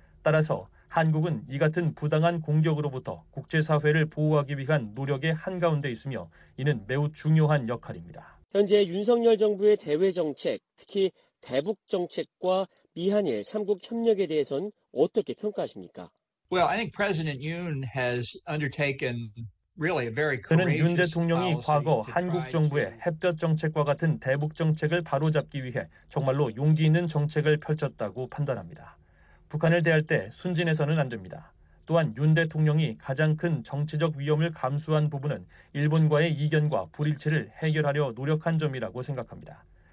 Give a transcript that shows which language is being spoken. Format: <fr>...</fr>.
<ko>따라서 한국은 이 같은 부당한 공격으로부터 국제사회를 보호하기 위한 노력의 한가운데 있으며 이는 매우 중요한 역할입니다. 현재 윤석열 정부의 대외정책, 특히 대북정책과 미한일 3국 협력에 대해서는 어떻게 평가하십니까?</ko> <en>Well, I think President Yoon has undertaken really a very courageous</en> <ko>그는 윤 대통령이 과거 한국 정부의 햇볕 정책과 같은 대북 정책을 바로잡기 위해 정말로 용기 있는 정책을 펼쳤다고 판단합니다. 북한을 대할 때 순진해서는 안 됩니다. 또한 윤 대통령이 가장 큰 정치적 위험을 감수한 부분은 일본과의 이견과 불일치를 해결하려 노력한 점이라고 생각합니다.</ko>